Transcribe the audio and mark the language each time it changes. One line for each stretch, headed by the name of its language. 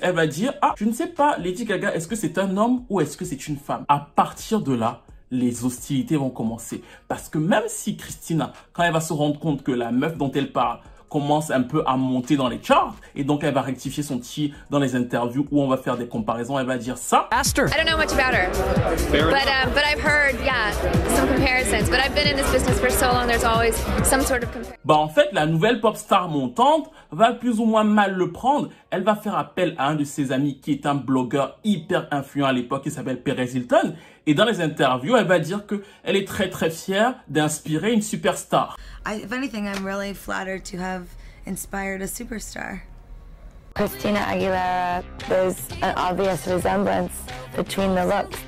French: Elle va dire, ah, je ne sais pas, Lady Gaga, est-ce que c'est un homme ou est-ce que c'est une femme? À partir de là, les hostilités vont commencer. Parce que même si Christina, quand elle va se rendre compte que la meuf dont elle parle commence un peu à monter dans les charts, et donc elle va rectifier son tir dans les interviews où on va faire des comparaisons, elle va dire ça. Aster.
English: I don't know much about her, but I've heard, some comparisons, but I've been in this business for so long, there's always some sort of comparison.
French: Bah en fait, la nouvelle pop star montante va plus ou moins mal le prendre. Elle va faire appel à un de ses amis qui est un blogueur hyper influent à l'époque qui s'appelle Perez Hilton. Et dans les interviews, elle va dire que elle est très très fière d'inspirer une superstar.
English: If anything, I'm really flattered to have inspired a superstar. Christina Aguilera, there's an obvious resemblance between the looks.